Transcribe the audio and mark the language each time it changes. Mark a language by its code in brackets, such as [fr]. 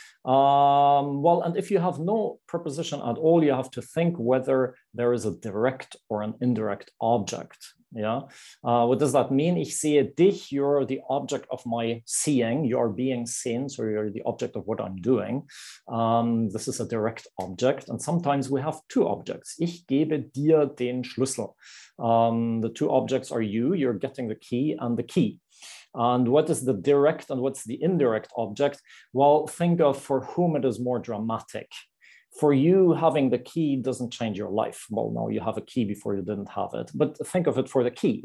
[en] Well, and if you have no preposition at all, you have to think whether there is a direct or an indirect object. Yeah. What does that mean? [de] Ich sehe dich. [en] You're the object of my seeing. You are being seen. So you're the object of what I'm doing. This is a direct object. And sometimes we have two objects. [de] Ich gebe dir den Schlüssel. [en] The two objects are you. You're getting the key and the key. And what is the direct and what's the indirect object? Well, think of for whom it is more dramatic. For you, having the key doesn't change your life. Well, no, you have a key before you didn't have it. But think of it for the key.